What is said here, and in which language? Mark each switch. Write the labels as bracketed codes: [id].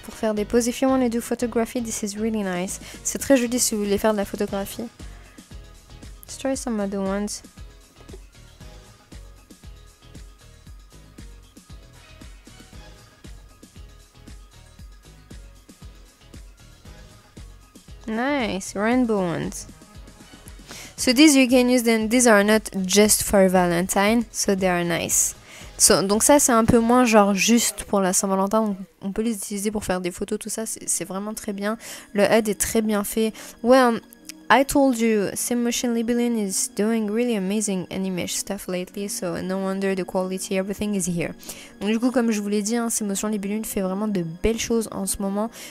[fr] Pour faire des poses, [en] if you want to do photography, this is really nice. [fr] C'est très joli si vous voulez faire de la photographie. [en] Let's try some other ones. Nice, rainbow ones. So these you can use them. These are not just for Valentine, so they are nice. [fr] So, donc ça c'est un peu moins genre juste pour la Saint-Valentin. Donc on peut les utiliser pour faire des photos, tout ça. C'est vraiment très bien. Le head est très bien fait. [en] Well, I told you, Sim Motion Libeline is doing really amazing animation stuff lately. So no wonder the quality, everything is here. [fr] Donc du coup, comme je vous l'ai dit, hein, Sim Motion Libeline fait vraiment de belles choses en ce moment.